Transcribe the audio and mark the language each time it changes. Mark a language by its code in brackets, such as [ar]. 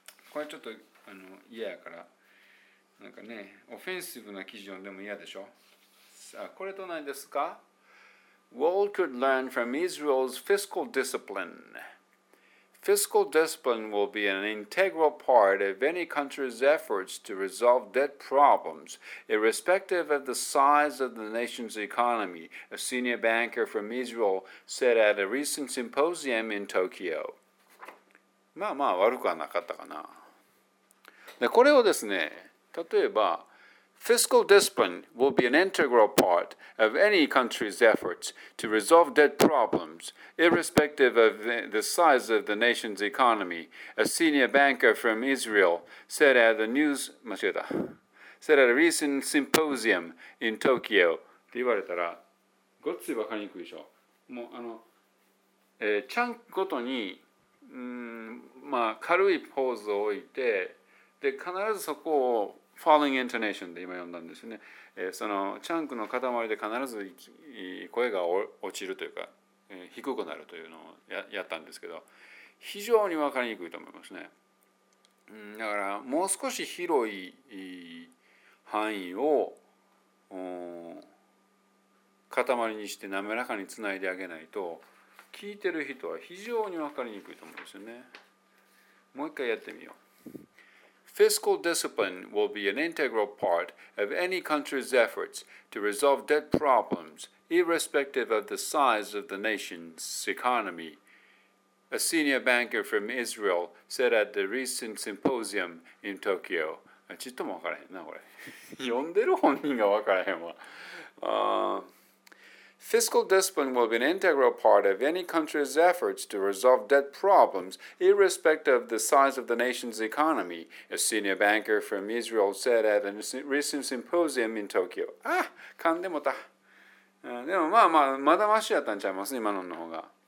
[ja] これちょっと嫌やから、なんかね、オフェンシブな記事読んでも嫌でしょ。さあ、これと何ですか。 [en] World could learn from Israel's fiscal discipline. Fiscal discipline will be an integral part of any country's efforts to resolve debt problems, irrespective of the size of the nation's economy, a senior banker from Israel said at a recent symposium in Tokyo. [ja] まあまあ悪くはなかったかな。で、これをですね、例えば、 [en] Fiscal discipline will be an integral part of any country's efforts to resolve debt problems, irrespective of the size of the nation's economy, a senior banker from Israel said at the news, said at a recent symposium in Tokyo. [ja] って言われたら、ごっついわかりにくいでしょ。もうチャンクごとに、まあ、軽いポーズを置いて、で、必ずそこをFalling intonation で今読んだんですよね。そのチャンクの塊で必ず声が落ちるというか、低くなるというのを やったんですけど、非常に分かりにくいと思いますね。だからもう少し広い範囲を塊にして滑らかにつないであげないと、聞いてる人は非常に分かりにくいと思うんですよね。もう一回やってみよう。 [en] Fiscal discipline will be an integral part of any country's efforts to resolve debt problems, irrespective of the size of the nation's economy, a senior banker from Israel said at the recent symposium in Tokyo. [ja] ちっともわからへんな、これ。読んでる本人がわからへんわ。 [en] Fiscal discipline will be an integral part of any country's efforts to resolve debt problems, irrespective of the size of the nation's economy, a senior banker from Israel said at a recent symposium in Tokyo. [ja] Ah, 噛んでもた。でもまあまあ、まだマシやったんちゃいます、今のの方が。